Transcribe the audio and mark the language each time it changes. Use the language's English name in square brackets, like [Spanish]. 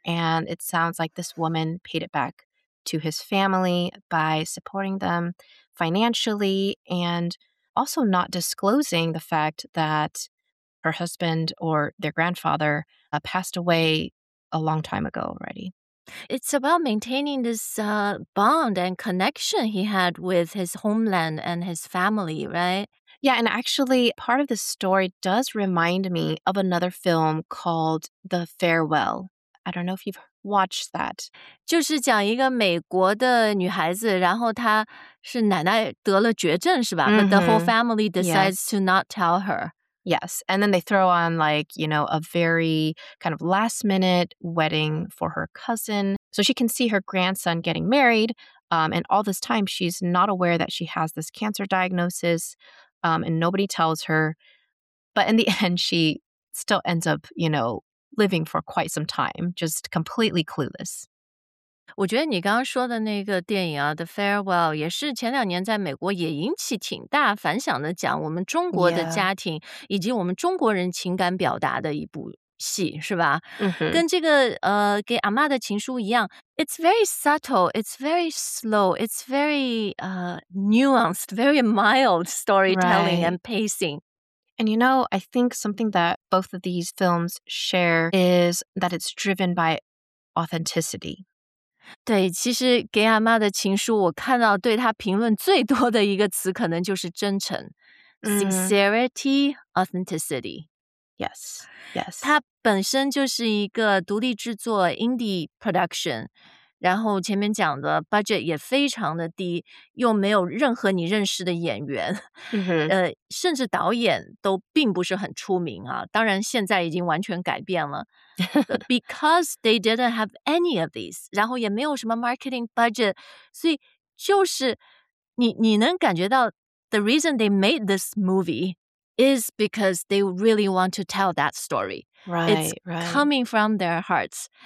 [English] And it sounds like this woman paid it back to his family by supporting them financially and also not disclosing the fact that her husband or their grandfather passed away a long time ago already. It's about maintaining this bond and connection he had with his homeland and his family, right? Yeah, and actually part of this story does remind me of another film called The Farewell. I don't know if you've watched that. [Chinese] 就是讲一个美国的女孩子，然后她是奶奶得了绝症，是吧？ Mm-hmm. [English] But the whole family decides to not tell her. Yes, and then they throw on like, you know, a very kind of last minute wedding for her cousin. So she can see her grandson getting married. And all this time, she's not aware that she has this cancer diagnosis. And nobody tells her. But in the end, she still ends up, you know, living for quite some time, just completely clueless. [Chinese] 我觉得你刚刚说的那个电影啊 The Farewell 也是前两年在美国也引起挺大反响的讲我们中国的家庭以及我们中国人情感表达的一部戏是吧、 mm-hmm. [English] 跟这个给阿妈的情书一样 It's very subtle, it's very slow, it's very nuanced, very mild storytelling、 right. and pacing. And you know, I think something that both of these films share is that it's driven by authenticity. [Chinese] 对，其实给阿妈的情书，我看到对她评论最多的一个词，可能就是真诚、 sincerity, authenticity. [English] Yes, yes. [Chinese] 它本身就是一个独立制作 indie production， 然后前面讲的 budget 也非常的低，又没有任何你认识的演员， mm-hmm. 甚至导演都并不是很出名啊。当然，现在已经完全改变了。 [English] Because they didn't have any of these, 然后也没有什么 marketing budget, 所以就是你能感觉到 the reason they made this movie is because they really want to tell that story. Right, it's right. coming from their hearts,、